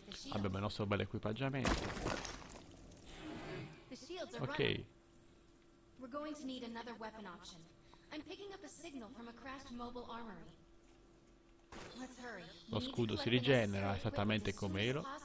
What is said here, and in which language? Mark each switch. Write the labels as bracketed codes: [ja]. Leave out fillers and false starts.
[it] Abbiamo il nostro bel equipaggiamento. Ok. [en] We're going to need another weapon option. I'm picking up a signal from a crashed mobile armory. Let's hurry. [it] Lo scudo si rigenera esattamente come ero.